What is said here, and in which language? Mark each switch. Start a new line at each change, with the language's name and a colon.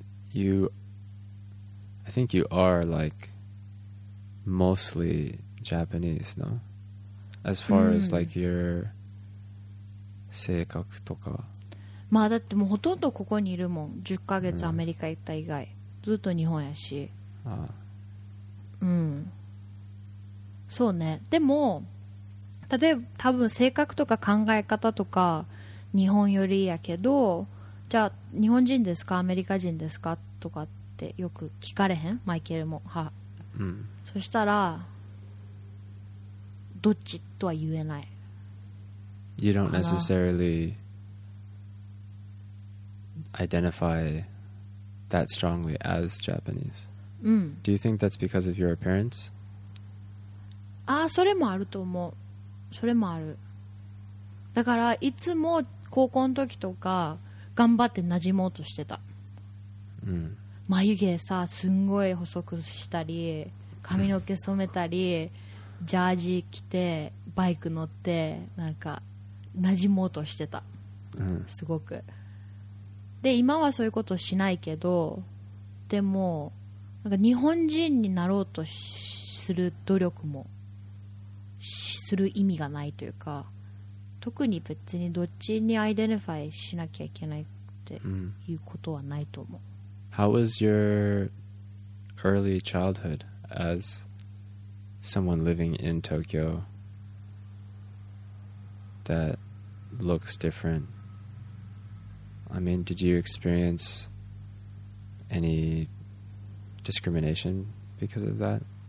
English: I think you are like mostly Japanese, no? As far as like your
Japanese: 性格とか。まあだってもうほとんどここにいるもん。10ヶ月アメリカ行った以外、ずっと日本やし。ああ。うん。そうね。でも、例えば多分性格とか考え方とか日本よりやけど、じゃあ日本人ですかアメリカ人ですかとかってよく聞かれへん、マイケルも。うん、そしたらどっちとは言えない。
English: You don't necessarily identify that strongly as Japanese.
Japanese: うん。
English: Do you think that's because of your appearance?
Japanese: ああ、それもあると思う。それもある。だからいつも高校の時とか頑張って馴染もうとしてた。うん。眉毛さすんごい細くしたり、髪の毛染めたり、ジャージ着てバイク乗ってなんか馴染もうとしてた、うん、すごく。で今はそういうことしないけど、でもなんか日本人になろうとする努力もする意味がないというか、特に別にどっちにアイデンティファイしなきゃいけないっていうことはないと思う。
English: How was your early childhood as someone living in Tokyo that looks different? I mean, did you experience any discrimination because of that?